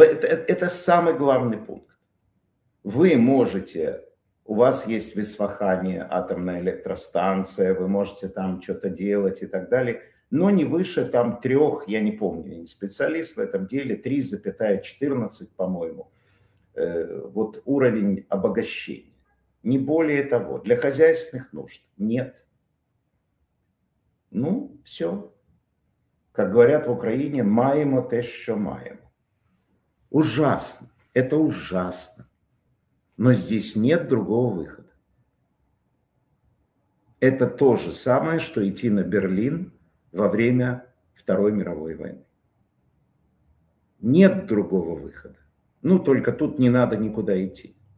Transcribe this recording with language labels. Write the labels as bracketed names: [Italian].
[Russian] Это самый главный пункт. Вы можете, у вас есть в Исфахане атомная электростанция, вы можете там что-то делать и так далее, но не выше там трех, я не помню, я не специалист в этом деле, 3,14, по-моему, вот уровень обогащения. Не более того, для хозяйственных нужд нет. Ну, все. Как говорят в Украине, [Ukrainian] маємо те, що маємо. [Russian] Ужасно. Это ужасно. Но здесь нет другого выхода. Это то же самое, что идти на Берлин во время Второй мировой войны. Нет другого выхода. Ну, только тут не надо никуда идти.